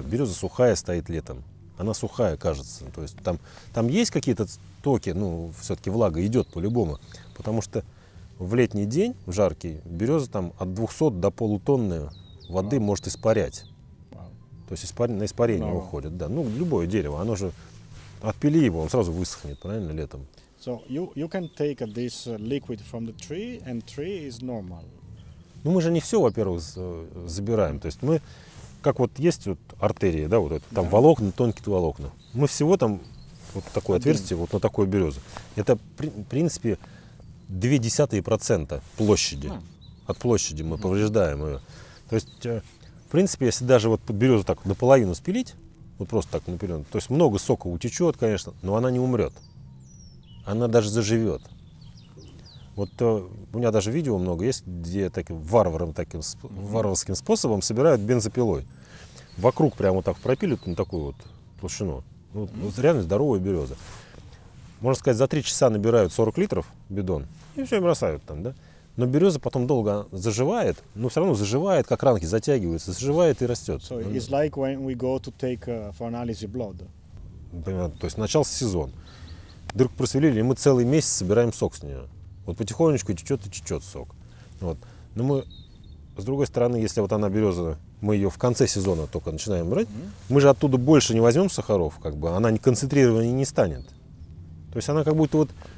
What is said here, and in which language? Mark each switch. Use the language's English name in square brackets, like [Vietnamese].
[Russian] Береза сухая стоит летом. Она сухая, кажется. То есть там есть какие-то токи, ну, все-таки влага идет по-любому. Потому что в летний день, в жаркий, береза там от 200 до полутонны воды может испарять. То есть на испарение уходит, да. Ну, любое дерево, оно же, отпили его, он сразу высохнет, правильно, летом. [English] So you can take this liquid from the tree, and tree is normal. [Russian] Ну, мы же не все, во-первых, забираем. То есть мы, как вот есть вот артерия, да, вот это, там волокна, тонкие волокна. Мы всего там вот такое отверстие, вот на такую березу. Это, в принципе, 0,2% площади. От площади мы повреждаем ее. То есть... В принципе, если даже вот березу так наполовину спилить, вот просто так наполовину, то есть много сока утечет, конечно, но она не умрет. Она даже заживет. Вот у меня даже видео много есть, где таким варваром, таким варварским способом собирают бензопилой. Вокруг прямо так пропилят на такую вот толщину. Ну, вот реально здоровая береза. Можно сказать, за 3 часа набирают 40 литров бидон и все, и бросают там, да? Но береза потом долго заживает, но все равно заживает, как ранки затягиваются, заживает и растет. [English] So it's like when we go to take for analysis blood. [Russian] Понятно. То есть начался сезон. Дырку просверлили, и мы целый месяц собираем сок с нее. Вот потихонечку течет и течет сок. Вот. Но мы, с другой стороны, если вот она береза, мы ее в конце сезона только начинаем брать, мы же оттуда больше не возьмем сахаров, как бы она концентрированной не станет. То есть она как будто вот.